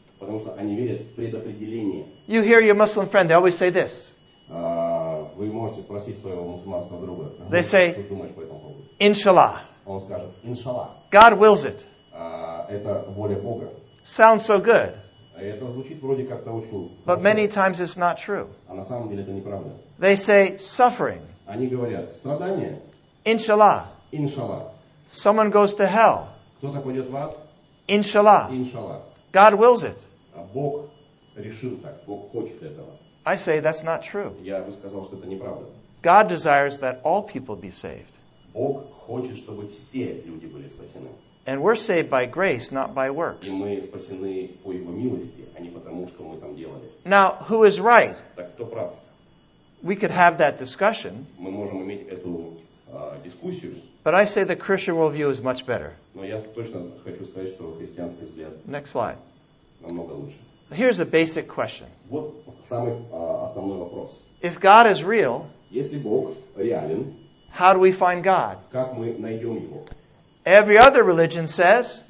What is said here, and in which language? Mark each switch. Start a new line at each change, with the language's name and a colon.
Russian: Потому что они верят в предопределение.
English: You hear your Muslim friend, they always say this.
Russian: Вы можете спросить своего мусульманского друга.
English: They say, Inshallah.
Russian: Он скажет, Inshallah.
English: God wills it.
Russian: Это воля Бога.
English: Sounds so good.
Russian: Это звучит вроде как-то очень.
English: But many times it's not true.
Russian: А на самом деле это неправда.
English: They say, suffering.
Russian: Они говорят, страдания.
Arabic: Inshallah. Inshallah.
English: Someone goes to hell.
Russian: Кто-то пойдет в ад.
Arabic: Inshallah. Inshallah.
English: God wills it.
Russian: Бог решил так. Бог хочет этого.
English: I say that's not true.
Russian: Я бы сказал, что это неправда.
English: God desires that all people be saved.
Russian: Бог хочет, чтобы все люди были спасены.
English: And we're saved by grace, not by works.
Russian: И мы спасены по его милости, а не потому, что мы там делали.
English: Now, who is right?
Russian: Так кто прав?
English: We could have that discussion.
Russian: Мы можем иметь эту дискуссию.
English: But I say the Christian worldview is much better.
Russian: Но я точно хочу сказать, что христианский взгляд.
English: Next slide.
Russian: Намного лучше.
English: Here's a basic question.
Russian: Вот самый основной вопрос.
English: If God is real,
Russian: если Бог реален,
English: how do we find God?
Russian: Как мы найдем его?
English: Every other religion says,